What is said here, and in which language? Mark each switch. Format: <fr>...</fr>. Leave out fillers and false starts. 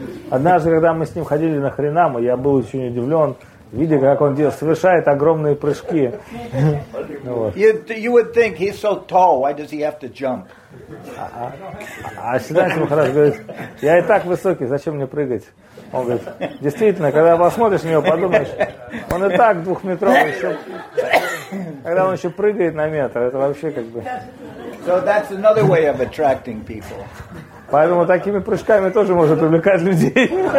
<ru>Однажды, когда мы с ним ходили на Харинаму, я был очень удивлен, видя, как он совершает огромные прыжки.</ru> <en>You would think he's so tall, why does he have to jump?</en> <ru>А Siddhanti Maharaj говорит, я и так высокий, зачем мне прыгать? Он говорит, действительно, когда посмотришь на него, подумаешь, он и так двухметровый. Все. Когда он еще прыгает на метр, это вообще как бы...</ru> <en>So that's another way of attracting people.</en> <ru>Поэтому такими прыжками тоже можно привлекать людей.</ru>